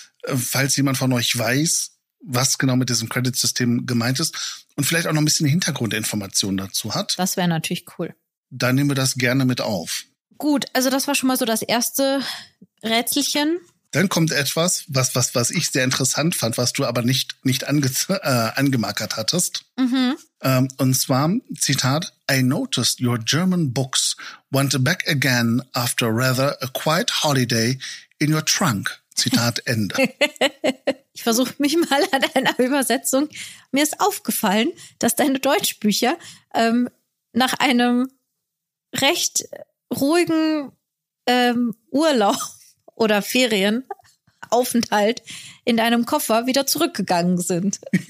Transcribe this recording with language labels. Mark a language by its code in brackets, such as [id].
[de] Falls jemand von euch weiß, was genau mit diesem Credit-System gemeint ist und vielleicht auch noch ein bisschen Hintergrundinformationen dazu hat. Das wäre natürlich cool. Dann nehmen wir das gerne mit auf. Gut, also das war schon mal so das erste Rätselchen. Dann kommt etwas, was ich sehr interessant fand, was du aber nicht angemarkert hattest. Und zwar, Zitat, [en] I noticed your German books went back again after rather a quiet holiday in your trunk. [de] Zitat Ende. Ich versuche mich mal an einer Übersetzung. Mir ist aufgefallen, dass deine Deutschbücher nach einem recht ruhigen Urlaub oder Ferien Aufenthalt in deinem Koffer wieder zurückgegangen sind.